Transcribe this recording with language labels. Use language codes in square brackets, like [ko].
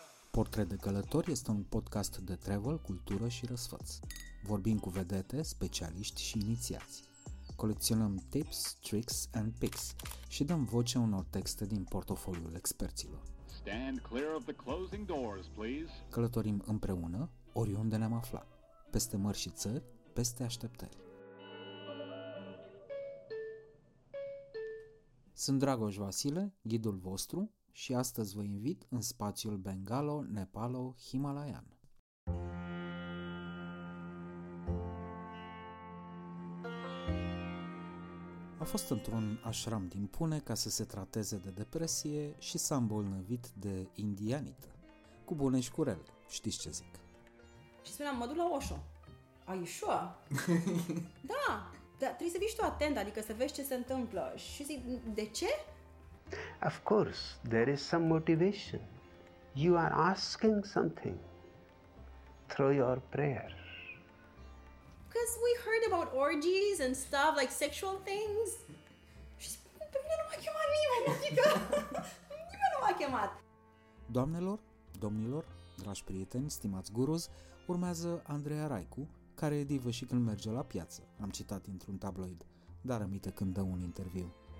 [ro] Portret de Călător este un podcast de travel, cultură și răsfăț. Vorbim cu vedete, specialiști și inițiați. Colecționăm [en] tips, tricks and picks [ro] și dăm voce unor texte din portofoliul experților. [en] Stand clear of the closing doors, please. [ro] Călătorim împreună, oriunde ne-am aflat, peste mări și țări, peste așteptări. Sunt Dragoș Vasile, ghidul vostru, și astăzi vă invit în spațiul Bengalo-Nepalo-Himalayan. A fost într-un ashram din Pune ca să se trateze de depresie și s-a îmbolnăvit de indianită. Cu bune și cu rele, știți ce zic. Și spuneam, mă duc la Osho. [en] Are you sure? [ro] Da, dar trebuie să fii și tu atent, adică să vezi ce se întâmplă. Și zic, de ce? [en] Of course, there is some motivation. You are asking something through your prayer. Because we heard about orgies and stuff, like sexual things. [ro] Și spune, pe mine nu m-a chemat nimeni, adică nimeni nu m-a chemat. Doamnelor, domnilor, dragi prieteni, stimați gurus, urmează Andreea Raicu, care e divă și când merge la piață. Am citat dintr-un tabloid, dar aminte când dă un interviu.